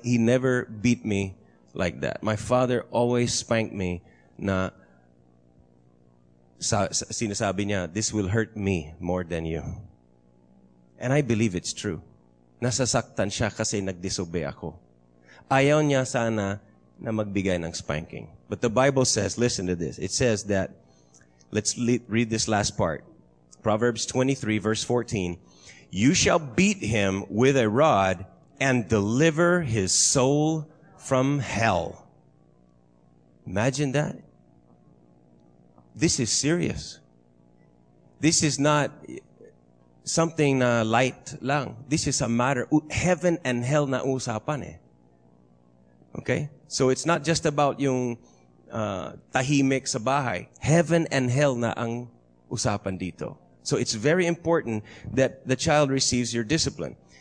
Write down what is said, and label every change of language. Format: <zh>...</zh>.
<en>He never beat me like that. My father always spanked me</en> <tl>na sinasabi niya,</tl> <en>this will hurt me more than you. And I believe it's true.</en> <tl>Nasasaktan siya kasi nag-disobey ako. Ayaw niya sana na magbigay ng spanking.</tl> <en>But the Bible says, listen to this. It says that, let's read this last part. Proverbs 23, verse 14. You shall beat him with a rod and deliver his soul from hell. Imagine that. This is serious. This is not something</en> <tl>na light lang.</tl> <en>This is a matter, heaven and hell</en> <tl>na usapan eh.</tl> <en>Okay? So it's not just about yung tahimik sa bahay.</en> <tl>Heaven and hell na ang usapan dito.</tl> <en>So it's very important that the child receives your discipline.</en>